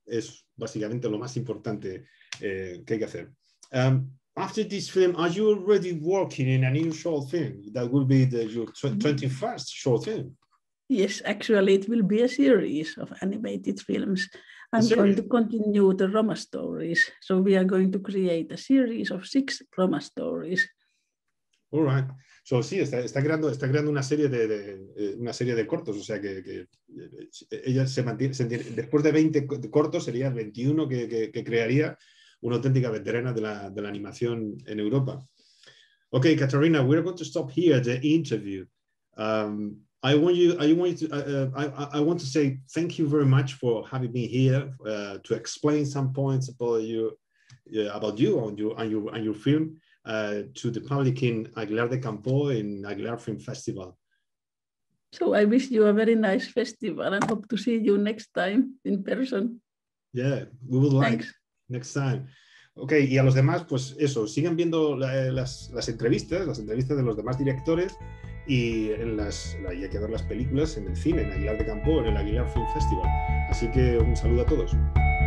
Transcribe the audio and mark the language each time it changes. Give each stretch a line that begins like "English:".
Spanish: Es básicamente lo más importante que hay que hacer.
English: After this film, are you already working in a new short film? That will be your 21st short film. Yes, actually, it will be a series of animated films. I'm going to continue the Roma stories. So we are going to create a series of 6 Roma stories. All right. So,
Spanish: sí, está creando una serie de cortos. O sea, que ella se mantiene, después de 20 cortos, sería 21 que crearía una auténtica veterana de la animación en Europa.
English: Okay, Katarina, we're going to stop here the interview. I want to say thank you very much for having me here to explain some points about you and your film to the public in Aguilar de Campo in Aguilar Film Festival. So I wish you a very nice festival and hope to see you next time in person. Yeah, we would like next time.
Spanish: Okay, y a los demás, pues eso, sigan viendo las entrevistas de los demás directores. Y en hay que ver las películas en el cine, en Aguilar de Campo, en el Aguilar Film Festival. Así que un saludo a todos.